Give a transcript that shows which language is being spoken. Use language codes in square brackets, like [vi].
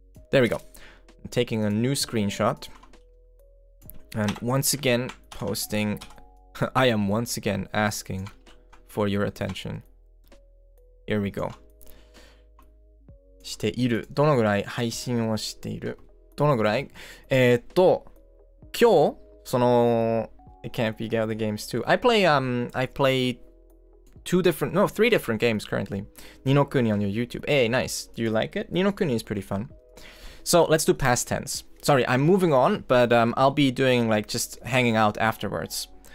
[en] There we go. I'm taking a new screenshot. And once again, posting, I am once again asking for your attention. Here we go. [ja] している。どのぐらい配信をしている? どのぐらい? 今日、その、 [en] It can't be the other games too. I play three different games currently. ニノクニ on your YouTube. Hey, nice. Do you like it? ニノクニ is pretty fun. So, let's do past tense. Sorry, I'm moving on, but I'll be doing like just hanging out afterwards.